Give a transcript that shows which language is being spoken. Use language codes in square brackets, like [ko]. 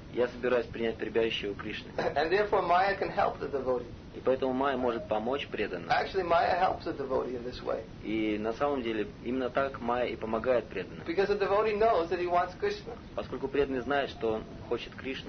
[ru] Я собираюсь принять прибежище у Кришны. [en] And therefore Maya can help the devotee. [ru] И поэтому Майя может помочь преданному. [en] Actually, Maya helps the devotee in this way. [ru] И на самом деле именно так Майя и помогает преданному. [en] Because the devotee knows that he wants Krishna. [ru] Поскольку преданный знает, что он хочет Кришну.